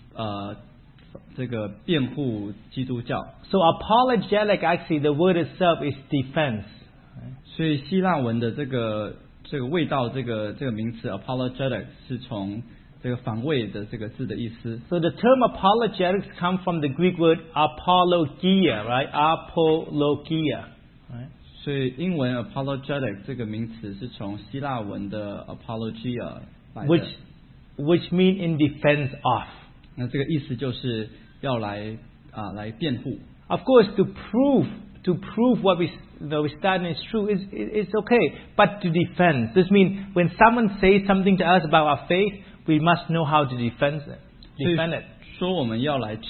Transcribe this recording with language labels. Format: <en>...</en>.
<zh>所以基督徒的这个味道学是这个有系统式的这个辩护基督教。</zh> <en>So apologetic, actually, the word itself is defense.</en> <zh>所以希腊文的这个味道这个名词 apologetic 是从</zh> <en>So the term apologetics come from the Greek word apologia, right? Apologia. Right?</en> <zh>所以英文 apologetic 这个名词是从希腊文的 apologia 来的,</zh> <en>which means in defense of.</en> <zh>那这个意思就是要来, 来辩护。</zh> <en>Of course, to prove what we study is true is okay, but to defend. This means when someone says something to us about our faith, we must know how to defend it.</en>